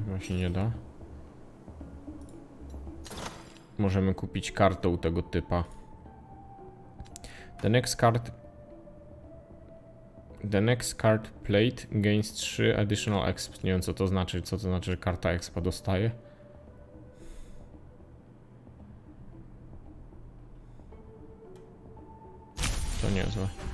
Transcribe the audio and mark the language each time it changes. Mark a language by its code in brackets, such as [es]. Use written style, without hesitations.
[pl] Nie da. Możemy kupić kartę u tego typa. [en] The next card played gains 3 additional exp. [pl] Nie wiem, co to znaczy. Co to znaczy, że karta expa dostaje? To niezłe.